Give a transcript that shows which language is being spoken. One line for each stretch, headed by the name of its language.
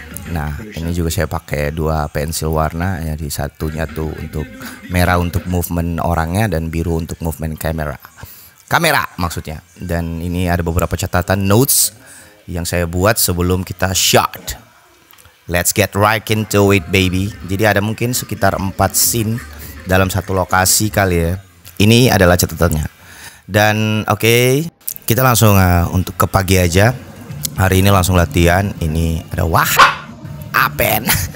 Indonesian: Nah, ini juga saya pakai dua pensil warna, jadi satunya tuh untuk merah untuk movement orangnya dan biru untuk movement kamera. Kamera maksudnya. Dan ini ada beberapa catatan notes yang saya buat sebelum kita shot.
English: Let's get right into it baby.
Indonesian: Jadi ada mungkin sekitar 4 scene dalam satu lokasi kali ya. Ini adalah catatannya. Dan okay, kita langsung untuk ke pagi aja. Hari ini langsung latihan. Ini ada Wahab Apen.